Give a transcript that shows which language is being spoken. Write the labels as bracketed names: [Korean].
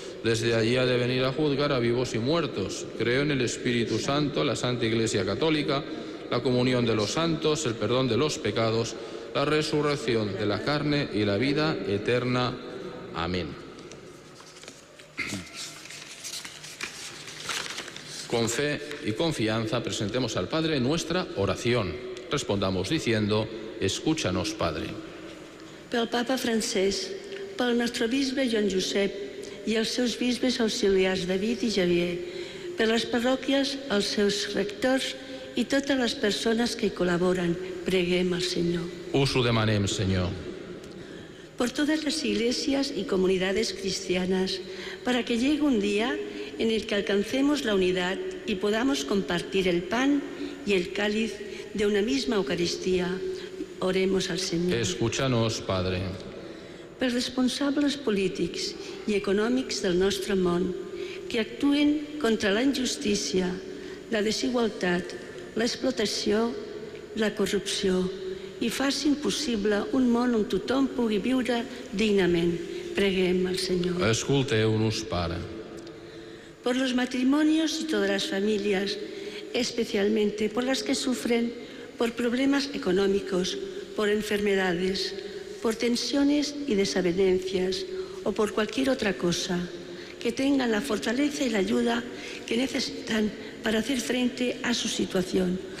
[Spanish] Desde allí ha de venir a juzgar a vivos y muertos. Creo en el Espíritu Santo, la Santa Iglesia Católica, la comunión de los santos, el perdón de los pecados, la resurrección de la carne y la vida eterna. Amén. Con fe y confianza presentemos al Padre nuestra oración. Respondamos diciendo: Escúchanos, Padre. [Catalan] Pel Papa Francesc, pel nostre bisbe Joan Josep i els seus bisbes auxiliars David i Javier, per les parròquies, els seus rectors i totes les persones que hi col·laboren, preguem al Senyor. Us ho demanem, Senyor. [Spanish] Por todas las iglesias y comunidades cristianas, para que llegue un día en el que alcancemos la unidad y podamos compartir el pan y el cáliz de una misma Eucaristía, oremos al Señor. Escúchanos, Padre. [Catalan] Pels responsables polítics i econòmics del nostre món, que actuen contra la injustícia, la desigualtat, l'explotació, la corrupció, i facin possible un món on tothom pugui viure dignament, preguem al Senyor. Escolteu-nos, Pare. [Spanish] Por los matrimonios y todas las familias, especialmente por las que sufren por problemas económicos, por enfermedades, por tensiones y desavenencias o por cualquier otra cosa, que tengan la fortaleza y la ayuda que necesitan para hacer frente a su situación.